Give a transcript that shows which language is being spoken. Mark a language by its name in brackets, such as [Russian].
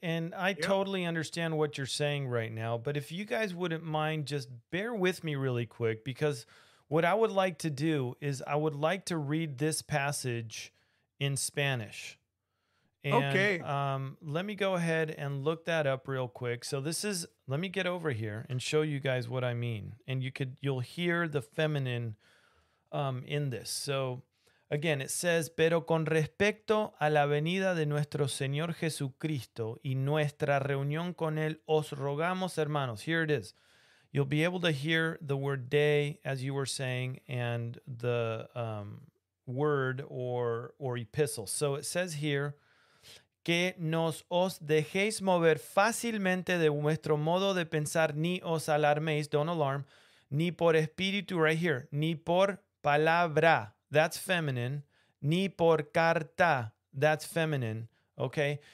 [English] And I totally understand what you're saying right now, but if you guys wouldn't mind, just bear with me really quick, because what I would like to do is I would like to read this passage in Spanish. And, okay. Let me go ahead and look that up real quick. So this is, let me get over here and show you guys what I mean. And you'll hear the feminine in this. So again, it says, [Spanish] pero con respecto a la venida de nuestro Señor Jesucristo y nuestra reunión con él, os rogamos, hermanos. [English] Here it is. You'll be able to hear the word day, as you were saying, and the word or epistle. So it says here, [Spanish] que nos os dejéis mover fácilmente de vuestro modo de pensar, ni os alarméis, [English] don't alarm, [Spanish] ni por espíritu, [English] right here, [Spanish] ni por palabra, [English] that's feminine, [Spanish] ni por carta, [English] that's feminine, okay?